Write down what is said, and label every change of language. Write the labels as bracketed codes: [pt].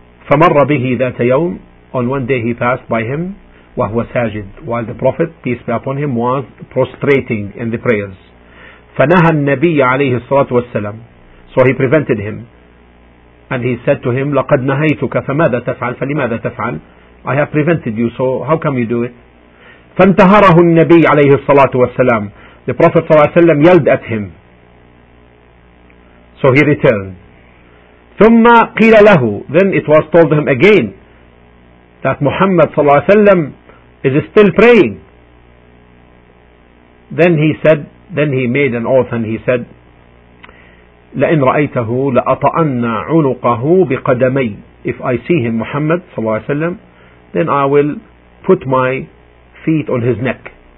[ar] فَمَرَّ بِهِ ذَاتَ يَوْمٍ, [en] on one day he passed by him, [ar] وَهُوَ سَاجِدْ, [en] while the Prophet, peace be upon him, was prostrating in the prayers. [ar] فَنَهَى النَّبِيَّ عَلَيْهِ الصَّلَاةُ وَالسَّلَامُ, [en] so he prevented him and he said to him, [ar] لَقَدْ نَهَيْتُكَ فَمَاذَا تَفْعَلْ فَلِمَاذَا تَفْعَلْ, [en] I have prevented you, so how come you do it? [ar] فَانْتَهَرَهُ النَّبِيَّ عَلَيْهِ الصَّلَاةُ وَالسَّلَامُ, [en] the Prophet [ar] صلى الله عليه وسلم [en] yelled at him, so he returned. [ar] ثُمَّ قِيلَ لَهُ, [en] then it was told him again that Muhammad صلى الله عليه وسلم is still praying. Then he made an oath and he said, [ar] لَإِنْ رَأَيْتَهُ لَأَطَأَنَّ عُنُقَهُ بِقَدَمَيْ, [en] if I see him, Muhammad صلى الله عليه وسلم, then I will put my feet on his neck.